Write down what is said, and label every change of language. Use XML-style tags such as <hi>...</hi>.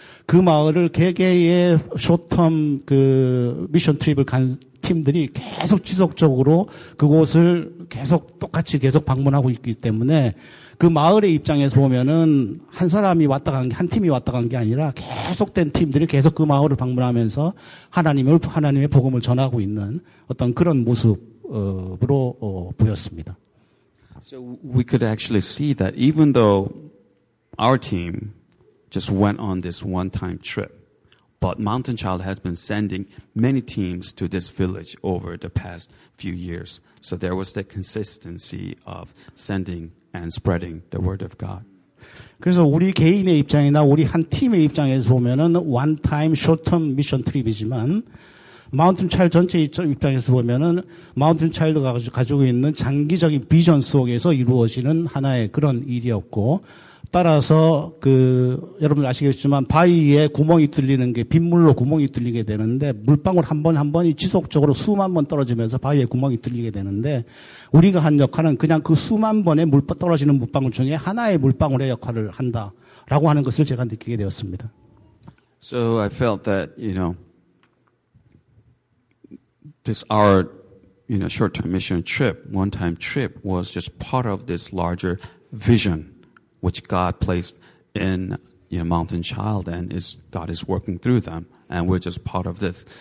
<ko>그 마을을 개개의 숏텀 그 미션 트립을 간 팀들이 계속 지속적으로 그곳을 계속 똑같이 계속 방문하고 있기 때문에, 그 마을의 입장에서 보면은 한 사람이 왔다 간 게 한 팀이 왔다 간 게 아니라 계속된 팀들이 계속 그 마을을 방문하면서 하나님의 복음을 전하고 있는 어떤 그런 모습으로 보였습니다.</ko> <en>So we could actually see that even though our team just went on this one-time trip, but Mountain Child has been sending many teams to this village over the past few years. So there was the consistency of sending and spreading the word of God.</en> <ko>그래서 우리 개인의 입장이나 우리 한 팀의 입장에서 보면은</ko> <en>one time short term mission trip</en> <ko>이지만 마운틴 차일드 전체 입장에서 보면은 마운틴 차일드가 가지고 있는 장기적인 비전 속에서 이루어지는 하나의 그런 일이었고 따라서 그 여러분들 아시겠지만 바위에 구멍이 뚫리는 게 빗물로 구멍이 뚫리게 되는데 물방울 한 번이 지속적으로 수만 번 떨어지면서 바위에 구멍이 뚫리게 되는데 우리가 한 역할은 그냥 그 수만 번의 물 떨어지는 물방울 중에 하나의 물방울의 역할을 한다라고 하는 것을 제가 느끼게 되었습니다.</ko> <en>So I felt that you know this our you know short-term mission trip, one-time trip was just part of this larger vision. which God placed in, you know, Mountain Child, and is God is working through them, and we're just part of this.</en>